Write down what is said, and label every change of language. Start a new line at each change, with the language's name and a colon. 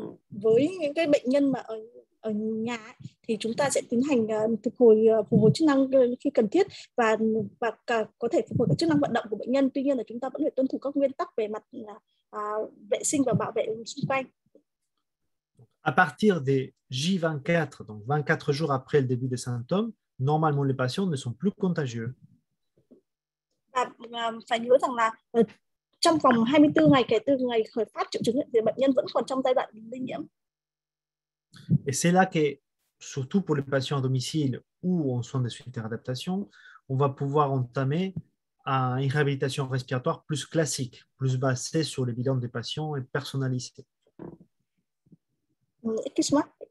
Vietnamese: Với những cái bệnh nhân mà ở nhà thì chúng ta sẽ tiến hành phục hồi chức năng khi cần thiết và có thể phục hồi các chức năng vận động của bệnh nhân. Tuy nhiên là chúng ta vẫn phải tuân thủ các nguyên tắc về mặt vệ sinh và bảo vệ xung quanh.
French: À partir des J24, donc 24 jours après le début des symptômes, normalement les patients ne sont plus contagieux.
Vietnamese: Phải nhớ rằng là trong vòng 24 ngày kể từ ngày khởi phát triệu chứng thì bệnh nhân vẫn còn trong giai đoạn lây nhiễm.
French: Et c'est là que, surtout pour les patients à domicile ou en soins de suite et réadaptation, on va pouvoir entamer une réhabilitation respiratoire plus classique, plus basée sur les bilans des patients et personnalisée. Excuse-moi.